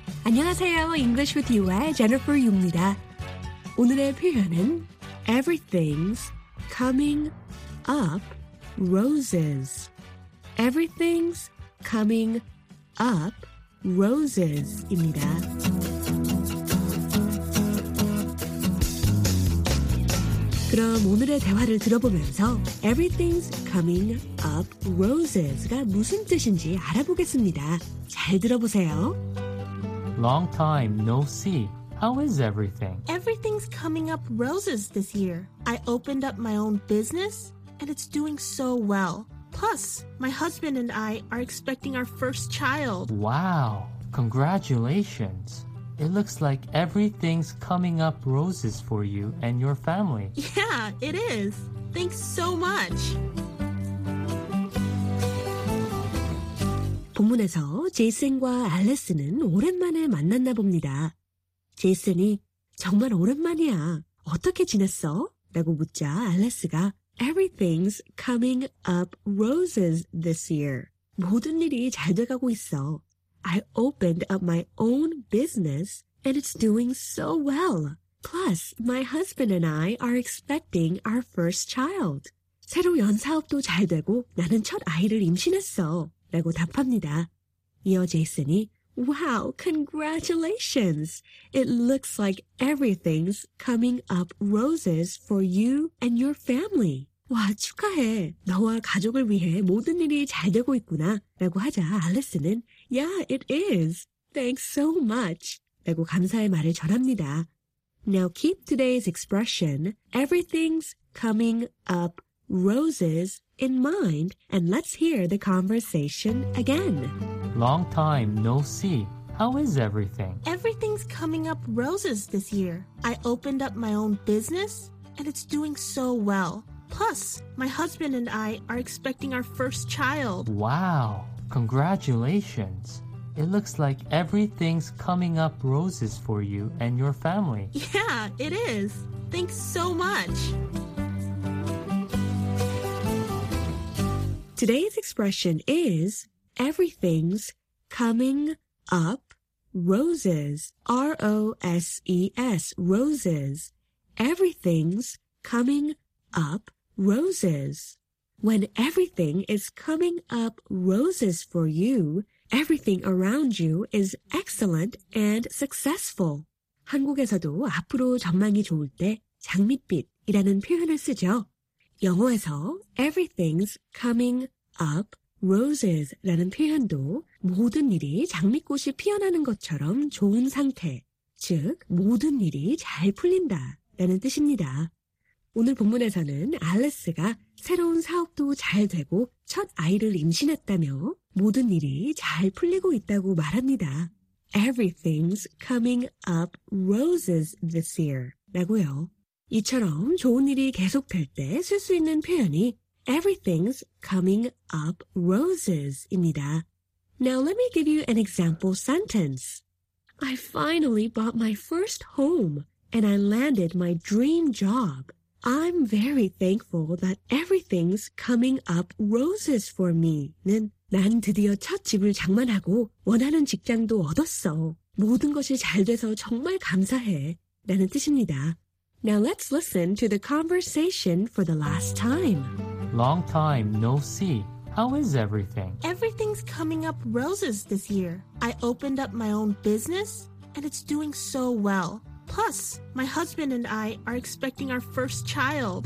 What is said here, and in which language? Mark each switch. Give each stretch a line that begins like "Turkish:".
Korean: 안녕하세요, English with You의 Jennifer Yu입니다. 오늘의 표현은 Everything's coming up roses.
English: Everything's coming up roses입니다.
Korean: 그럼 오늘의 대화를 들어보면서 Everything's coming up roses가 무슨 뜻인지 알아보겠습니다. 잘 들어보세요.
English: Long time no see. How is everything? Everything's coming up roses this year. I opened up my own business and it's doing so well. Plus, my husband and I are expecting our first child. Wow, congratulations. It looks like everything's coming up roses for you and your family. Yeah, it is. Thanks so much.
Korean: 본문에서 제이슨과 알리스는 오랜만에 만났나 봅니다. 제이슨이 정말 오랜만이야. 어떻게 지냈어? 라고 묻자 알리스가
English: Everything's coming up roses this year.
Korean: 모든 일이 잘 돼가고 있어.
English: I opened up my own business and it's doing so well. Plus, my husband and I are expecting our first child.
Korean: 새로 연사업도 잘 되고 나는 첫 아이를 임신했어. 라고 답합니다. 이어 제이슨이
English: Wow, congratulations. It looks like everything's coming up roses for you and your family.
Korean: 와, 축하해. 너와 가족을 위해 모든 일이 잘 되고 있구나. 라고 하자 알리스는
English: Yeah, it is. Thanks so much.
Korean: 라고 감사의 말을 전합니다.
English: Now keep today's expression, everything's coming up roses in mind, and let's hear the conversation again. Long time no see. How is everything? Everything's coming up roses this year. I opened up my own business, and it's doing so well. Plus, my husband and I are expecting our first child. Wow, congratulations. It looks like everything's coming up roses for you and your family. Yeah, it is. Thanks so much. Today's expression is everything's coming up roses. R-O-S-E-S, roses. Everything's coming up roses. When everything is coming up roses for you, everything around you is excellent and successful.
Korean: 한국에서도 앞으로 전망이 좋을 때 장밋빛이라는 표현을 쓰죠. 영어에서 everything's coming up roses라는 표현도 모든 일이 장미꽃이 피어나는 것처럼 좋은 상태, 즉 모든 일이 잘 풀린다라는 뜻입니다. 오늘 본문에서는 알리스가 새로운 사업도 잘 되고 첫 아이를 임신했다며 모든 일이 잘 풀리고 있다고 말합니다.
English: Everything's coming up roses this year
Korean: 라고요. 이처럼 좋은 일이 계속될 때 쓸 수 있는 표현이 Everything's coming up roses 입니다.
English: Now let me give you an example sentence. I finally bought my first home and I landed my dream job. I'm very thankful that everything's coming up roses for me.
Korean: 는 난 드디어 첫 집을 장만하고 원하는 직장도 얻었어. 모든 것이 잘 돼서 정말 감사해. 라는 뜻입니다.
English: Now let's listen to the conversation for the last time. Long time no see. How is everything? Everything's coming up roses this year. I opened up my own business and it's doing so well. Plus, my husband and I are expecting our first child.